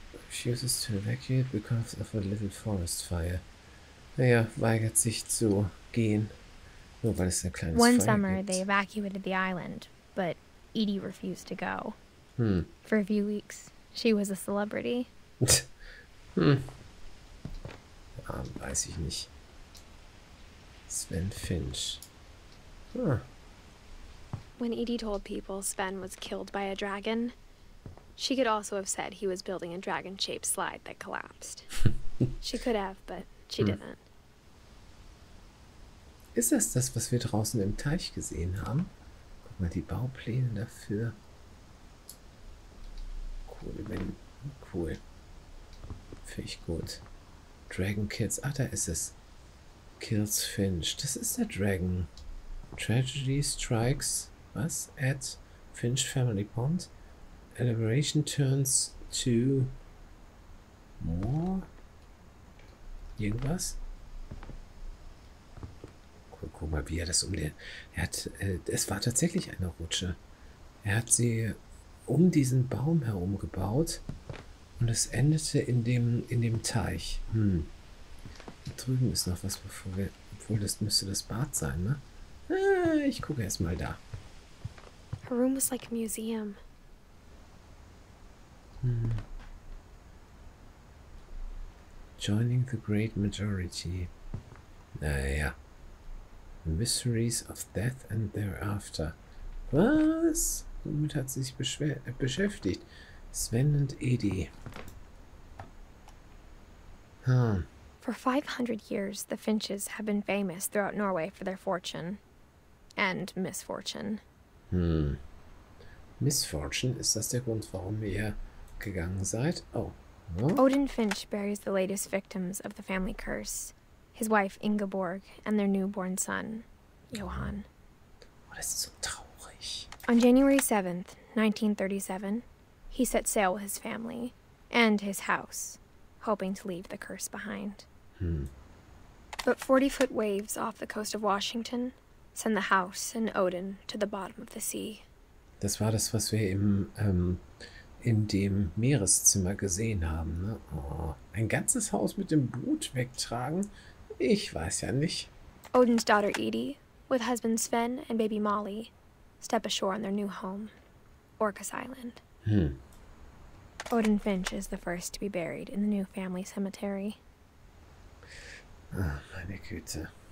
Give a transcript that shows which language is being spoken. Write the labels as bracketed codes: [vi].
[en] She uses to evacuate because of a little forest fire. [de] Naja, weigert sich zu gehen. Nur weil es ein kleines Feuer gibt. [en] One summer they evacuated the island, but Edie refused to go. For a few weeks, she was a celebrity. [de] Ja, weiß ich nicht. [en] Sven Finch. When Edie told people Sven was killed by a dragon, she could also have said he was building a dragon-shaped slide that collapsed. She could have, but she didn't. [de] Ist das das, was wir draußen im Teich gesehen haben? Mal die Baupläne dafür. Cool, wenn. Cool. Finde ich gut. [en] Dragon Kills. [de] Ah, da ist es. [en] Kills Finch. [de] Das ist der Dragon. [en] Tragedy Strikes. [de] Was? [en] At Finch Family Pond. Elaboration turns to. More? [de] Irgendwas? Guck mal, wie er das um den. Es war tatsächlich eine Rutsche. Er hat sie um diesen Baum herum gebaut und es endete in dem Teich. Da drüben ist noch was, bevor wir. Obwohl, das müsste das Bad sein, ne? Ich gucke erst mal da. [en] Her room was like a museum. Joining the great majority. Naja. Mysteries of death and thereafter. [de] Was? Womit hat sie sich beschäftigt? Sven und Edie. [en] For 500 years, the Finches have been famous throughout Norway for their fortune. And misfortune. Misfortune? [de] Ist das der Grund, warum ihr gegangen seid? Oh. [en] What? Odin Finch buries the latest victims of the family curse. His wife Ingeborg and their newborn son, Johan. [de] Oh, das ist so traurig. [en] On January 7th, 1937, he set sail with his family and his house, hoping to leave the curse behind. But 40-foot waves off the coast of Washington send the house and Odin to the bottom of the sea. [de] Das war das, was wir in dem Meereszimmer gesehen haben. Ne? Oh, ein ganzes Haus mit dem Boot wegtragen? Ich weiß ja nicht. [en] Odin's daughter Edie, with husband Sven and baby Molly, step ashore in their new home, Orcas Island. Odin Finch is the first to be buried in the new family cemetery. [de] Ah, meine Güte.